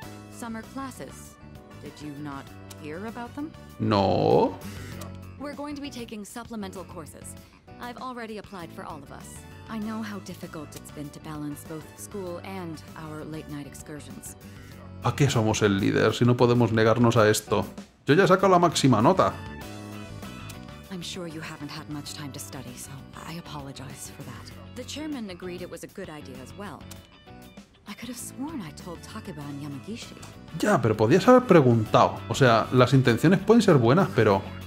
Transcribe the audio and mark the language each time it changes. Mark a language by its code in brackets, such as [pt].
[en] Summer classes. Did you not hear about them? No. We're going to be taking supplemental courses. I've already applied for all of us. I know how difficult it's been to balance both school and our late night excursions. [es] ¿A qué somos el líder si no podemos negarnos a esto? Yo ya saco la máxima nota. [en] I'm sure you haven't had much time to study, so I apologize for that. The chairman agreed it was a good idea as well. I could have sworn I told Takeba and Yamagishi. [es] Ya, pero podías haber preguntado. O sea, las intenciones pueden ser buenas, pero...